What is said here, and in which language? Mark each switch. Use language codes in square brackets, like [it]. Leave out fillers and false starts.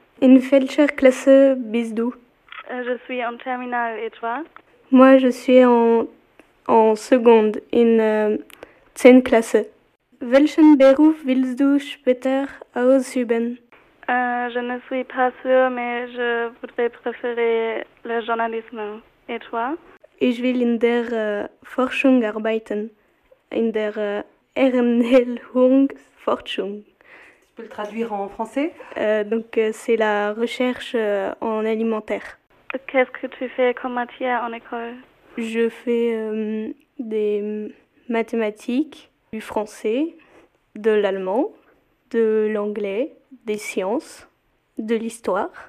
[de] In welcher Klasse bist du? [fr] Je suis en terminale, et toi? Moi, je suis en seconde, [de] in 10 Klasse. Welchen Beruf willst du später ausüben? [fr] Je ne suis pas sûr, mais je voudrais préférer le journalisme. Et toi? [de] Ich will in der Forschung arbeiten. in der Ernährungsforschung. [fr] Tu peux le traduire en français? C'est la recherche en alimentaire. Qu'est-ce que tu fais comme matière en école? Je fais des mathématiques, du français, de l'allemand, de l'anglais, des sciences, de l'histoire.